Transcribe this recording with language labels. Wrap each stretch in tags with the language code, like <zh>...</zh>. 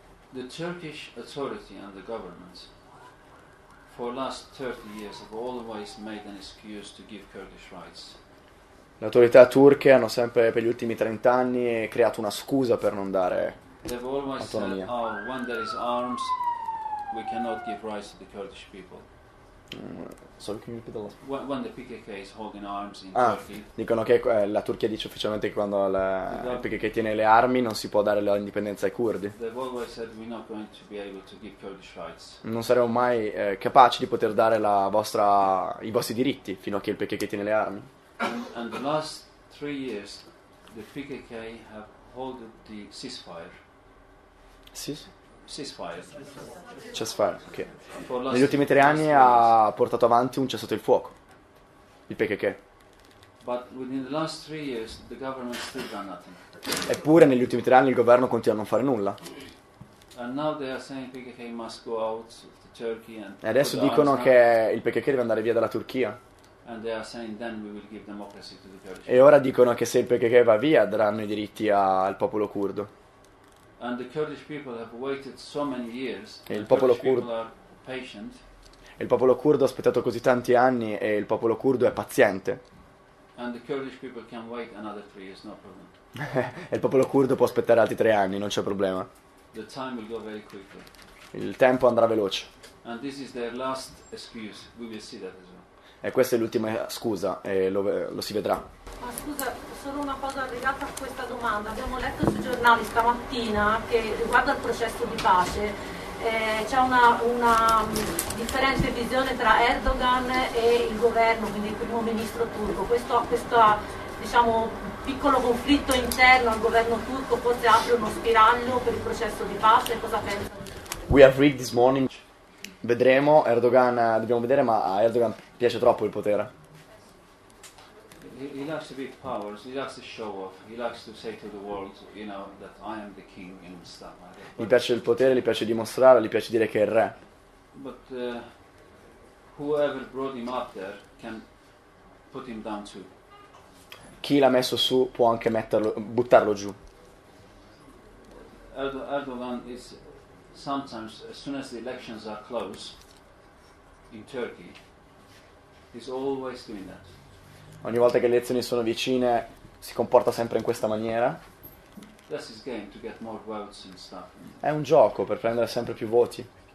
<en>The Turkish authority and the government for last 30 years have always made an excuse to give Kurdish rights.</en> <it>Le autorità turche hanno sempre per gli ultimi 30 anni creato una scusa per non dare autonomia.</it> <en>When there is arms, we cannot give rights to the Kurdish people. Sorry, can you repeat the last? When the PKK is holding arms in Turkey.</en> <it>Dicono che la Turchia dice ufficialmente che quando il PKK tiene le armi non si può dare l'indipendenza ai curdi.</it> <en>They've always said we're not going to be able to give Kurdish rights.</en> <it>Non saremo mai capaci di poter dare la vostra i vostri diritti fino a che il PKK tiene le armi.</it> <en>And the last 3 years the PKK have held the ceasefire. Ceasefire, ok.</en> <it>Negli ultimi tre anni ha portato avanti un cessato il fuoco. Il PKK.</it> <en>But within the last 3 years the government still done nothing.</en> <it>Eppure negli ultimi tre anni il governo continua a non fare nulla.</it> <en>And now they are saying PKK must go out of the Turkey and</en> <it>e adesso dicono che il PKK deve andare via dalla Turchia.</it> <en>And they are saying then we will give democracy to the Kurds.</en> <it>E ora dicono che se il PKK va via daranno i diritti al popolo curdo.</it> <en>And the Kurdish people have waited so many years.</en> <it>E il popolo curdo</it> <en>are patient.</en> <it>E il popolo curdo ha aspettato così tanti anni e il popolo curdo è paziente.</it> <en>And the Kurdish people can wait another 3 years, no problem.</en> <it>E il popolo curdo può aspettare altri 3 anni, non c'è problema.</it> <en>The time will go very quickly.</en> <it>Il tempo andrà veloce.</it> <en>And this is their last excuse. We will see that as well.</en> <it>E questa è l'ultima scusa, e lo si vedrà. Ma scusa, solo una cosa legata a questa domanda. Abbiamo letto sui giornali stamattina che riguardo al processo di pace c'è una differente visione tra Erdogan e il governo, quindi il primo ministro turco. Questo diciamo, piccolo conflitto interno al governo turco forse apre uno spiraglio per il processo di pace. Cosa pensa?</it> <en>We have read this morning.</en> <it>Vedremo, Erdogan, dobbiamo vedere, ma a Erdogan piace troppo il potere.</it> <en>He likes a bit powers, he likes to show off, he likes to say to the world, you know, that I am the king in Istanbul.</en> <it>Gli piace il potere, gli piace dimostrare, gli piace dire che è il re.</it> <en>But whoever brought him up there can put him down too.</en> <it>Chi l'ha messo su può anche metterlo, buttarlo giù.</it> <en>Erdogan is sometimes, as soon as the elections are close in Turkey, he's always doing that.</en> <it>Ogni volta che le elezioni sono vicine, si comporta sempre in questa maniera.</it> <en>That's his game, to get more votes and stuff.</en> <it>È un gioco per prendere sempre più voti.</it>